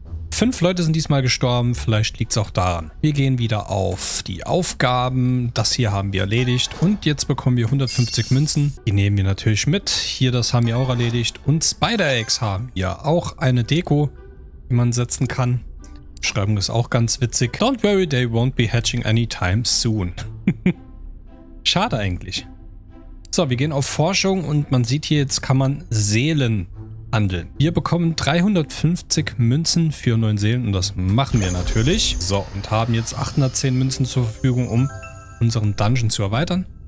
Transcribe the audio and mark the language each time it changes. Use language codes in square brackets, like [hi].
[de] 5 Leute sind diesmal gestorben, vielleicht liegt es auch daran. Wir gehen wieder auf die Aufgaben, das hier haben wir erledigt und jetzt bekommen wir 150 Münzen. Die nehmen wir natürlich mit, hier das haben wir auch erledigt und Spider-Eggs haben wir auch eine Deko, die man setzen kann. Beschreibung ist auch ganz witzig. [en] Don't worry, they won't be hatching anytime soon. [de] Schade eigentlich. So, wir gehen auf Forschung und man sieht hier, jetzt kann man Seelen handeln. Wir bekommen 350 Münzen für 9 Seelen und das machen wir natürlich. So, und haben jetzt 810 Münzen zur Verfügung, um unseren Dungeon zu erweitern.